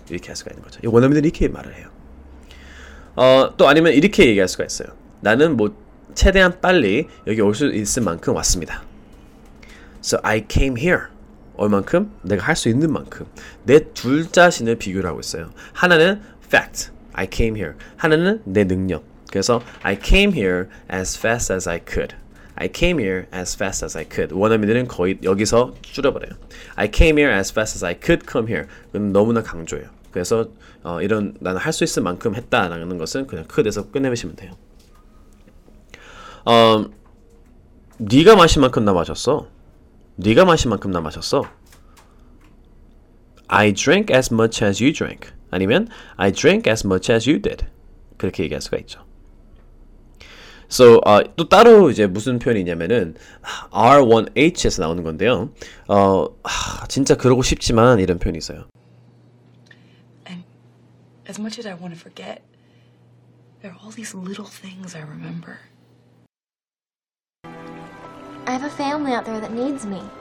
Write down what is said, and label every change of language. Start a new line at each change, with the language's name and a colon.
Korean: 이렇게 할 수가 있는 거죠. 원어민들은 이렇게 말을 해요. 또 아니면 이렇게 얘기할 수가 있어요. 나는 뭐 최대한 빨리 여기 올수 있을 만큼 왔습니다.
English: So I came here.
Korean: 얼만큼? 내가 할수 있는 만큼. 내둘 자신을 비교를 하고 있어요. 하나는 fact.
English: I came here.
Korean: 하나는 내 능력.
English: 그래서 I came here as fast as I could. I came here as fast as I could.
Korean: 원어민들은 거의 여기서 줄여버려요.
English: I came here as fast as I could come here.
Korean: 그건 너무나 강조해요. 그래서 이런 나는 할수 있을 만큼 했다라는 것은 그냥 could에서 끝내시면 돼요. 네가 마신 만큼 나 마셨어. 네가 마신 만큼 나 마셨어.
English: I drank as much as you drank. 아니면 I drank as much as you did.
Korean: 그렇게 얘기할 수가 있죠. So 또 따로 이제 무슨 표현이 있냐면은 R1H에서 나오는 건데요. 진짜 그러고 싶지만 이런 표현이 있어요.
English: And as much as I want to forget, there are all these little things I remember. I have a family out there that needs me.